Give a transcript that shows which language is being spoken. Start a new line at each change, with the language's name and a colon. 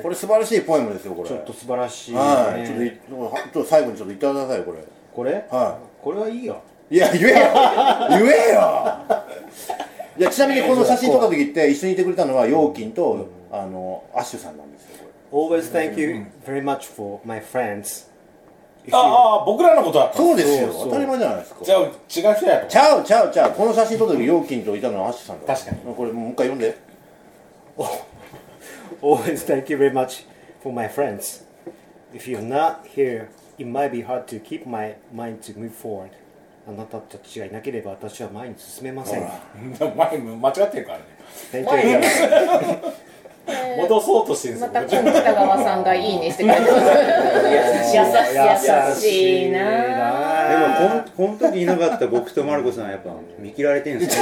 Japanese: これ素晴らしいポエムですよ。これちょっと素晴らしい、ね。はい、ちょっと最後にちょっと言ってくださいよ、これ。これ。はい。これはいいよ。いや、言えよ。言えよ。いや、ちなみにこの写真撮った時って一緒にいてくれたのはヨーキンと、うん、あのアッシュさんなんですよ。これ
English: Always thank you very much for my friends。
Japanese: ああ、僕らのことだった。そうですよ、当たり前じゃないですか。じゃあ、違う人やと。ちゃう。この写真撮った時ヨーキンといたのはアッシュさんだ。確かに。これもう一回読んで。
English: Always thank you very much for my friends. If you're not here, it might be hard to keep my mind to move forward.
Japanese: あなたたちがいなければ私は前に進めません。前も間違ってるからね。
English: Thank you.
Japanese: 戻そうとしてるんですよ。また北川さんがいいねしてくれてます。優しいな。でもこの時いなかった僕とマルコさんはやっぱ見切られてるんですよ、